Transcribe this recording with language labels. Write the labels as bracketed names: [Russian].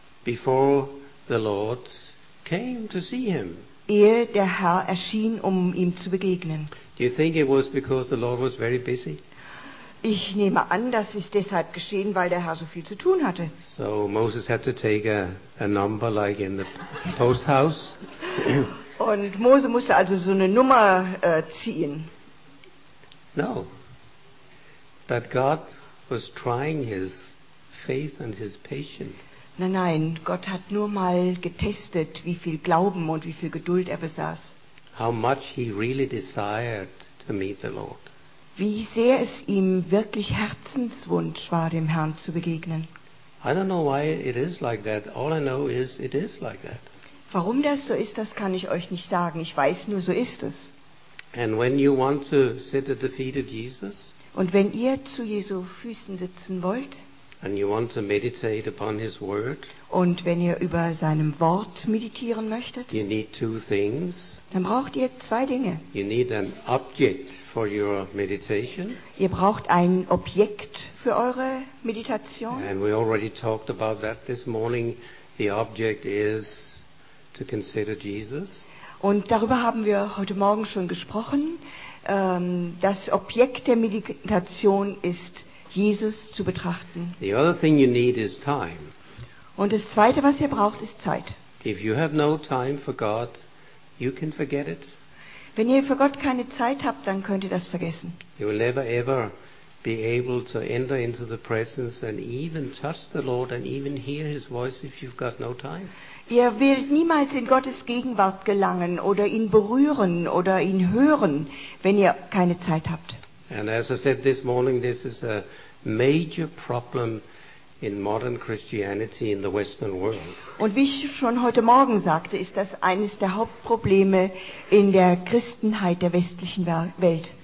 [English] Before the Lord came to see him. [German] Ehe der Herr erschien, um ihm zu begegnen. [English] Do you think it was because the Lord was very busy? [German] Ich nehme an, das ist deshalb geschehen, weil der Herr so viel zu tun hatte. [English] So Moses had to take a number like in the post house. [German] Und Mose musste also so eine Nummer ziehen. [English] No. But God was trying his faith and his patience. [German] Nein, Gott hat nur mal getestet, wie viel Glauben und wie viel Geduld er besaß. [English] How much he really desired to meet the Lord. [German] Wie sehr es ihm wirklich Herzenswunsch war, dem Herrn zu begegnen. [English] I don't know why it is like that. All I know is it is like that. [German] Warum das so ist, das kann ich euch nicht sagen. Ich weiß nur, so ist es. [English] And when you want to sit at the feet of Jesus, [German] und wenn ihr zu Jesu Füßen sitzen wollt, [English] and you want to meditate upon his word, [German] und wenn ihr über seinem Wort meditieren möchtet, [English] you need 2 things. [German] Dann braucht ihr 2 Dinge. [English] You need an object for your meditation. [German] Ihr braucht ein Objekt für eure Meditation. [English] And we already talked about that this morning. The object is to consider Jesus. [German] Und darüber haben wir heute Morgen schon gesprochen. Das Objekt der Meditation ist, Jesus zu betrachten. [English] The other thing you need is time. [German] Und das Zweite, was ihr braucht, ist Zeit. [English] If you have no time for God, you can forget it. [German] Wenn ihr für Gott keine Zeit habt, dann könnt ihr das vergessen. [English] You will never ever be able to enter into the presence and even touch the Lord and even hear his voice if you've got no time. [German] Ihr werdet niemals in Gottes Gegenwart gelangen oder ihn berühren oder ihn hören, wenn ihr keine Zeit habt. [English] And as I said this morning, this is a major problem in modern Christianity in the Western world. [German] Und wie ich schon heute Morgen sagte, ist das eines der Hauptprobleme in der Christenheit der westlichen Welt.